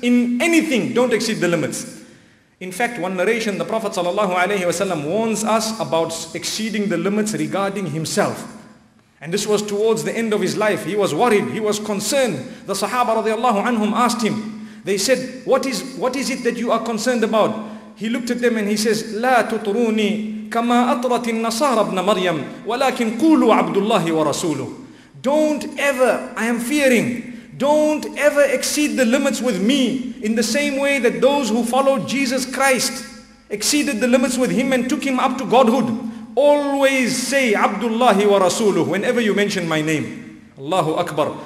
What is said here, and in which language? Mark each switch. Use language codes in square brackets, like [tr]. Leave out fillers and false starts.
[en] In anything, don't exceed the limits. In fact, one narration, the Prophet sallallahu alayhi wa sallam warns us about exceeding the limits regarding himself. And this was towards the end of his life. He was worried. He was concerned. The Sahaba radiallahu anhum asked him. They said, what is it that you are concerned about? He looked at them and he says, [ar] لا تطروني كما أطرت النصارى ابن مريم ولكن قولوا عبد الله ورسوله. [en] Don't ever, I am fearing, don't ever exceed the limits with me in the same way that those who followed Jesus Christ exceeded the limits with him and took him up to godhood. Always say Abdullah wa Rasuluhu whenever you mention my name. Allahu Akbar.